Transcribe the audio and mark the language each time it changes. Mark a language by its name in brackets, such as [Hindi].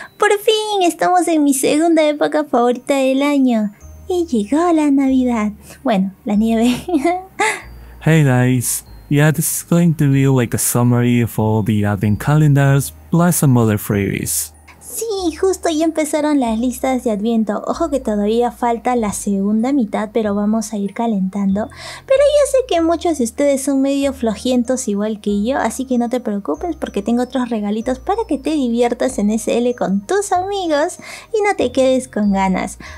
[Spanish] Por fin estamos en mi segunda época favorita del año. Y llegó la Navidad. Bueno, la nieve. [English] Hey guys, yeah, this is going to be like a summary for the advent calendars plus some other freebies. [Spanish] Sí, justo ya empezaron las listas de adviento. Ojo que todavía falta la segunda mitad, pero vamos a ir calentando. Pero ya sé que muchos de ustedes son medio flojientos igual que yo, así que no te preocupes porque tengo otros regalitos para que te diviertas en SL con tus amigos y no te quedes con ganas.